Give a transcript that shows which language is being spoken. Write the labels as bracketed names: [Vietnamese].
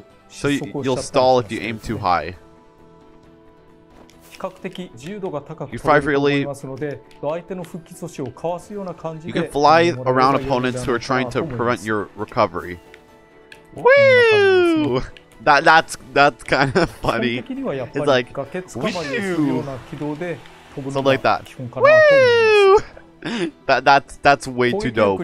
[English] So, you'll stall if you aim too high. [Japanese] 比較的自由度が高く飛べると思いますので、相手の復帰阻止をかわすような感じで、 [English] You can fly around opponents who are trying to prevent your recovery. Woo! That's kind of funny. It's like, something like that. Woo! That's way too dope.